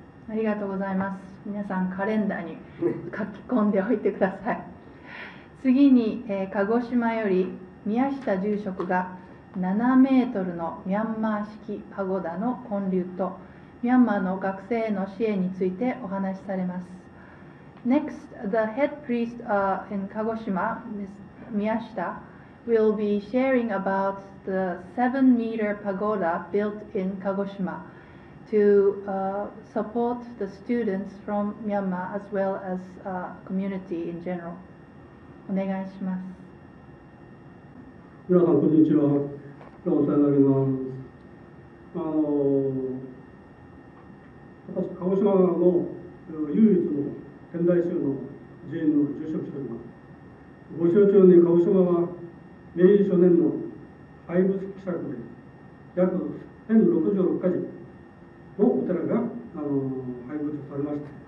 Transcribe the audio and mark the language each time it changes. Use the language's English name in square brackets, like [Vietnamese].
[Japanese] ありがとうございます。皆さんカレンダーに書き込んでおいてください。次に、鹿児島より宮下住職が7メートルのミャンマー式パゴダの建立とミャンマーの学生への支援についてお話しされます。 [English] Next, the head priest in Kagoshima, Ms. Miyashita, will be sharing about the 7-meter pagoda built in Kagoshima to support the students from Myanmar as well as community in general. [Japanese] お願いします。皆さん、こんにちは。今日はお世話になります。私、鹿児島の唯一の天台宗の寺院の住職しております。ご承知のように、鹿児島は明治初年の廃仏毀釈で約1066箇所のお寺が廃仏されました。